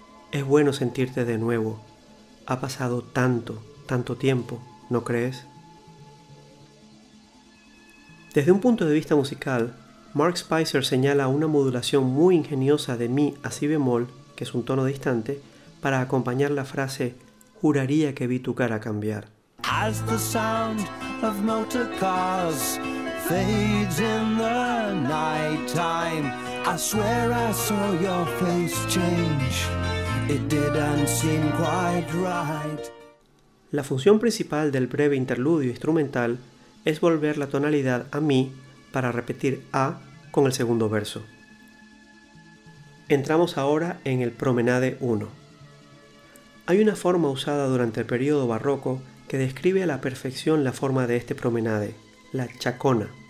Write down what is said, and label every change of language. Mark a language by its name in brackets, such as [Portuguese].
[Spanish] Es bueno sentirte de nuevo. Ha pasado tanto, tanto tiempo, ¿no crees? Desde un punto de vista musical, Mark Spicer señala una modulación muy ingeniosa de mi a si bemol, que es un tono distante, para acompañar la frase juraría que vi tu cara cambiar. [English] As the sound of motor cars fades in the night time, I swear I saw your face change. It didn't seem quite right. [Spanish] La función principal del breve interludio instrumental es volver la tonalidad a mi para repetir a con el segundo verso. Entramos ahora en el promenade 1. Hay una forma usada durante el periodo barroco que describe a la perfección la forma de este promenade, la chacona.